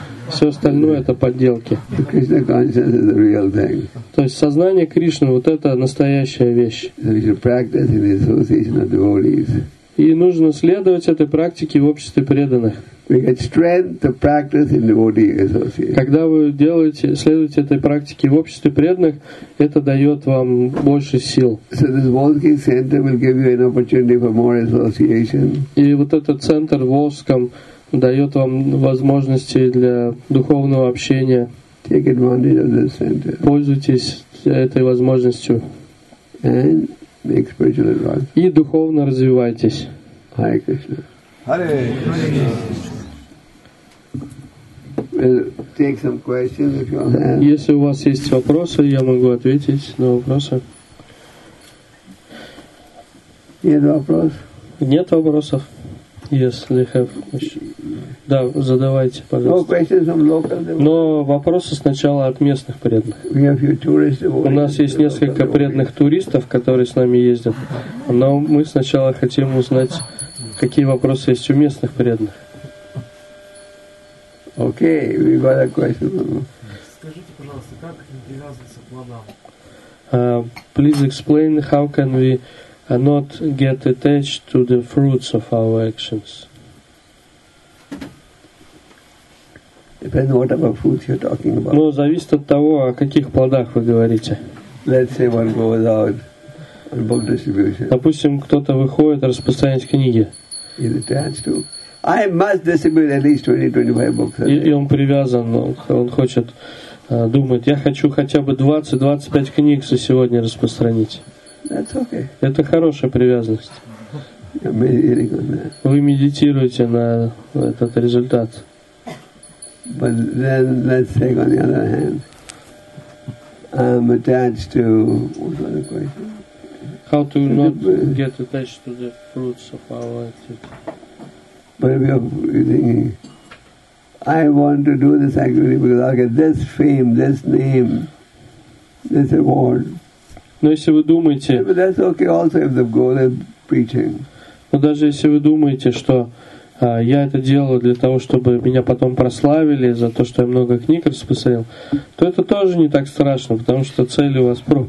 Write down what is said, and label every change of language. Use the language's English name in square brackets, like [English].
[Russian] Все остальное это подделки. То есть сознание Кришны вот это настоящая вещь. И нужно следовать этой практике в обществе преданных. [English] We get strength to practice in devotee association. [Russian] Когда вы делаете, следуете этой практике в обществе преданных, это дает вам больше сил. [English] So this Volsking Center will give you an opportunity for more association. [Russian] И вот этот центр в Волжском дает вам возможности для духовного общения. [English] Take advantage of this center. [Russian] Пользуйтесь этой возможностью. [English] And make spiritual advance. [Russian] И духовно развивайтесь. [English] Hare Krishna. Hare Krishna. Take some questions if you have. [Russian] Если у вас есть вопросы, я могу ответить на вопросы. Нет вопросов? Нет вопросов. [English] Yes, they have questions. [Russian] Да, задавайте, пожалуйста. [English] No questions from local devotees. [Russian] Но вопросы сначала от местных преданных. [English] We have few tourists devotees. [Russian] У нас есть несколько преданных туристов, которые с нами ездят. Но мы сначала хотим узнать, какие вопросы есть у местных преданных. Окей, [English] we got a question. [Russian] Скажите, пожалуйста, как привязываться к плодам? [English] Please explain how can we not get attached to the fruits of our actions. Depends on what type of fruits you're talking about. [Russian] Но зависит от того, о каких плодах вы говорите. [English] Let's say one goes out on book distribution. [Russian] Допустим, кто-то выходит распространять книги. [English] He's attached to. I must distribute at least 20-25 books. [Russian] И он привязан, он хочет думать, я хочу хотя бы 20-25 книг за сегодня распространить. [English] That's okay. [Russian] Это хорошая привязанность. [English] You're meditating on that. [Russian] Вы медитируете на этот результат. [English] But then let's say on the other hand, I'm attached to what's the question? How to not get attached to the fruits of our activity? But you're thinking, I want to do this activity because I'll get this fame, this name, this award. [Russian] Но если вы думаете, но даже если вы думаете, что я это делаю для того, чтобы меня потом прославили за то, что я много книг распространил, то это тоже не так страшно, потому что цель у вас